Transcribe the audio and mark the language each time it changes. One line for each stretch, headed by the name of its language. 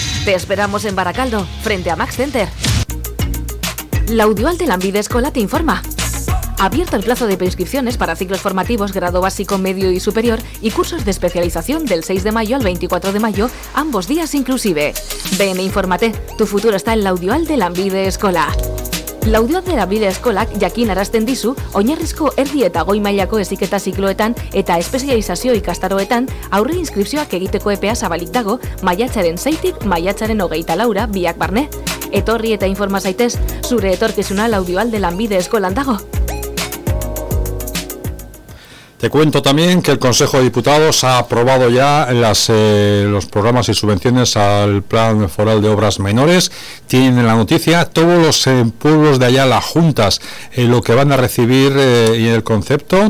Spanish: Te esperamos en Baracaldo, frente a Max Center. La Audual de Lambide Escola te informa. Abierto el plazo de preinscripciones para ciclos formativos, grado básico, medio y superior, y cursos de especialización del 6 de mayo al 24 de mayo, ambos días inclusive. Ven e infórmate, tu futuro está en la Audual de Lanbide Escola.
Basque: La Audual de Lanbide Escola, jakin arastendizu, oinarrizko erdi eta goi mailako heziketa zikloetan eta espezializazio ikastaroetan, aurre inskripzioak egiteko epea zabalik dago, maiatzaren 6-tik maiatzaren 24-ra, biak barne. Etorri eta informa zaitez, zure etorkizuna la Audual de Lanbide Escolan dago.
Spanish: Te cuento también que el Consejo de Diputados ha aprobado ya los programas y subvenciones al Plan Foral de Obras Menores. Tienen la noticia todos los pueblos de allá, las juntas, lo que van a recibir y el concepto.